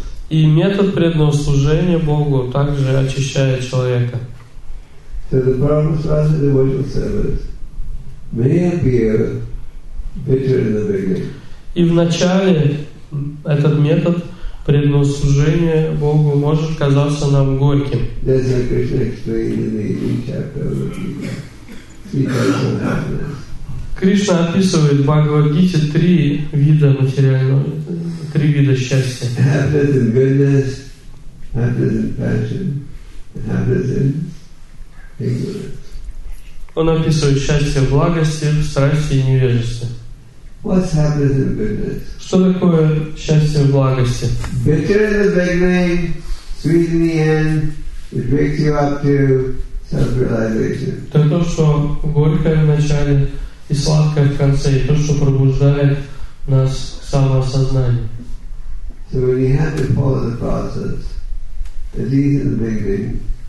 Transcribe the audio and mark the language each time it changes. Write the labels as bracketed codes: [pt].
[ru] И метод преданного служения Богу также очищает человека. [en] So the promise of the devotional service may appear bitter in the beginning. [ru] И в начале этот метод преданного служения Богу может казаться нам горьким. [en] That's what Krishna explained in the 18th chapter of the Gita. [ru] Кришна описывает в Бхагавад-гите три вида материального, три вида счастья. [en] Happiness in goodness, happiness in passion, and happiness in [ru] Он описывает счастье в благости, в страсти и невежестве. [en] What's happiness in goodness? [ru] Что такое счастье в благости? [en] Bitter in the beginning, sweet in the end, it brings you up to self-realization. [ru] Это то, что горькое в начале и сладкое в конце, и то, что пробуждает нас к самоосознанию. [en] So when you have to follow the process, it's easy in the beginning.